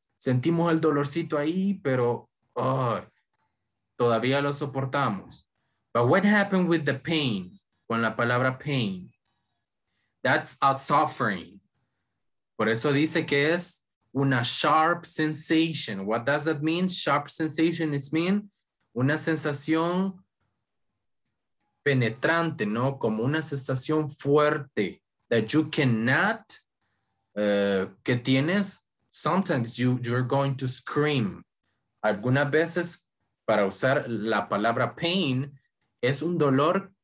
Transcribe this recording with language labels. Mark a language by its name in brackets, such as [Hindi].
[Spanish] Sentimos el dolorcito ahí, pero todavía lo soportamos. [English] But what happened with the pain, [Spanish] con la palabra pain? [English] That's a suffering. [Spanish] Por eso dice que es una [English] sharp sensation. What does that mean? Sharp sensation is mean [Spanish] una sensación penetrante, ¿no? Como una sensación fuerte. [English] That you cannot, [Spanish] que tienes, [English] sometimes you're going to scream. [Spanish] Algunas veces, para usar la palabra pain, es un dolor